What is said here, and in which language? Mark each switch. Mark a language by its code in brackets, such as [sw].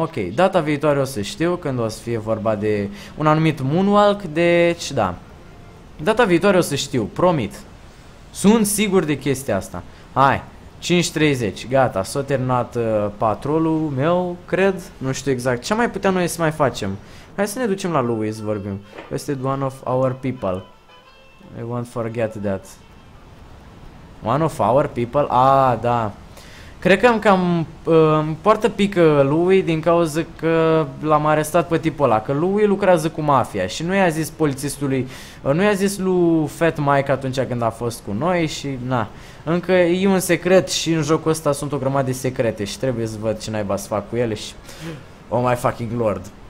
[ro] Ok, data viitoare o să știu când o să fie vorba de un anumit moonwalk, deci da. Data viitoare o să știu, promit. Sunt sigur de chestia asta. Hai, 5:30, gata, s-a terminat patrolul meu, cred, nu știu exact. Ce mai putem noi să mai facem? Hai să ne ducem la Louis, vorbim. [en] Wasted one of our people. I won't forget that. One of our people? Ah, da. [ro] Cred că am cam poartă pică lui din cauza că l-am arestat pe tipul ăla, că lui lucrează cu mafia și nu i-a zis polițistului, nu i-a zis lui Fat Mike atunci când a fost cu noi și na, încă e un secret și în jocul ăsta sunt o grămadă de secrete și trebuie să văd ce naiba să fac cu ele și [en] oh my fucking lord.